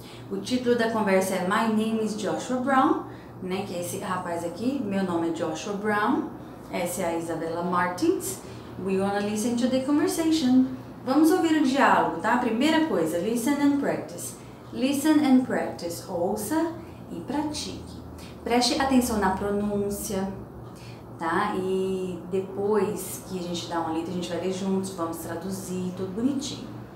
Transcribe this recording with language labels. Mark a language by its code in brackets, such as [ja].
[pt] O título da conversa é [en] My name is Joshua Brown, [pt] né? Que é esse rapaz aqui. Meu nome é Joshua Brown. Essa é a Isabella Martins. [en] We wanna listen to the conversation. [pt] Vamos ouvir o diálogo, tá? Primeira coisa, [en] listen and practice. Listen and practice. [pt] Ouça e pratique. Preste atenção na pronúncia, tá? E depois que a gente dá uma lida, a gente vai ler juntos, vamos traduzir, tudo bonitinho.